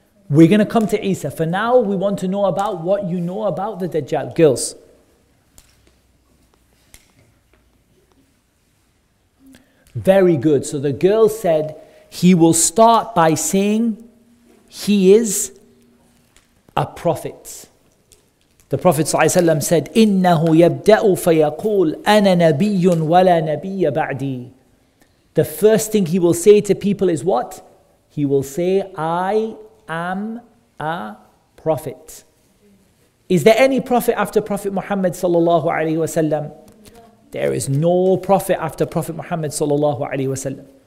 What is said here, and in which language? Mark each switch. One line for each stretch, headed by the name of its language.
English: We're going to come to Isa. For now, we want to know about what you know about the Dajjal. Girls. Very good. So the girl said, he will start by saying he is a prophet. The Prophet ﷺ said,
Arabic: إِنَّهُ يَبْدَأُ فَيَقُولْ أَنَا نَبِيٌّ وَلَا نَبِيَّ بَعْدِي.
English: The first thing he will say to people is what? He will say, I am a prophet. Is there any prophet after Prophet Muhammad sallallahu alaihi wasallam? There is no prophet after Prophet Muhammad sallallahu alaihi wasallam.